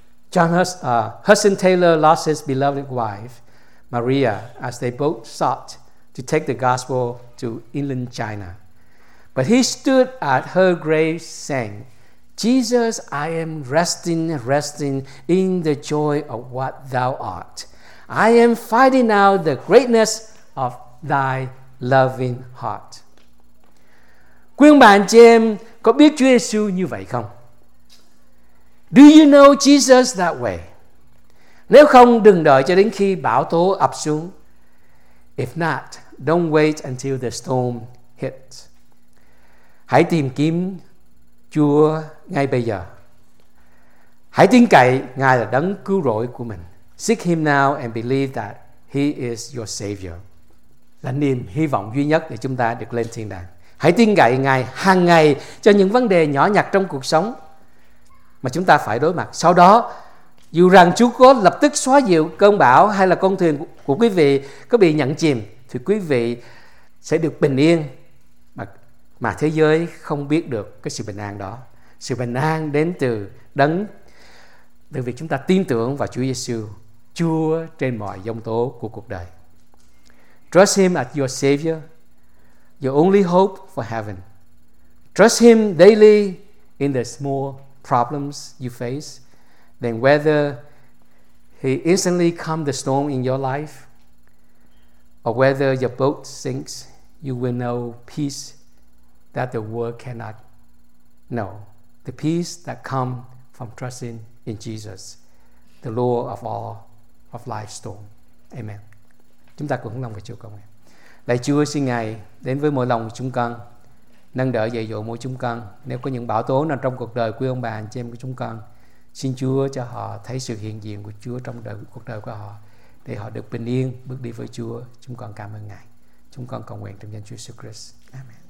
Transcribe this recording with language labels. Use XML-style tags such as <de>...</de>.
<en>John Hudson Taylor lost his beloved wife, Maria, as they both sought to take the gospel to inland China. But he stood at her grave saying, Jesus, I am resting in the joy of what thou art. I am finding out the greatness of thy loving heart.</en> <vi>Quý ông bà anh chị em có biết Chúa Giêsu như vậy không?</vi> <en>Do you know Jesus that way?</en> <vi>Nếu không, đừng đợi cho đến khi bão tố ập xuống.</vi> <en>If not, don't wait until the storm hits.</en> <vi>Hãy tìm kiếm Chúa ngay bây giờ. Hãy tin cậy Ngài là đấng cứu rỗi của mình.</vi> <en>Seek him now and believe that he is your savior.</en> <vi>Là niềm hy vọng duy nhất để chúng ta được lên thiên đàng. Hãy tin cậy Ngài hàng ngày cho những vấn đề nhỏ nhặt trong cuộc sống mà chúng ta phải đối mặt. Sau đó, dù rằng Chúa có lập tức xóa dịu cơn bão hay là con thuyền của quý vị có bị nhận chìm, thì quý vị sẽ được bình yên mà thế giới không biết được cái sự bình an đó. Sự bình an đến từ đấng, từ việc chúng ta tin tưởng vào Chúa Giêsu, Chúa trên mọi giông tố của cuộc đời.</vi> <en>Trust him as your savior, your only hope for heaven. Trust him daily in the small problems you face, then whether he instantly calms the storm in your life or whether your boat sinks, you will know peace that the world cannot know. The peace that comes from trusting in Jesus, the Lord of all of life's storm. Amen.</en> <vi>Chúng ta cùng lòng với Chúa cầu nguyện. Lạy Chúa, xin Ngài đến với mỗi lòng chúng con, nâng đỡ dạy dỗ mỗi chúng con. Nếu có những bão tố nào trong cuộc đời quý ông bà anh chị em của chúng con, xin Chúa cho họ thấy sự hiện diện của Chúa trong cuộc đời của họ, để họ được bình yên bước đi với Chúa. Chúng con cảm ơn Ngài. Chúng con cầu nguyện trong danh Chúa Jesus Christ. Amen.</vi>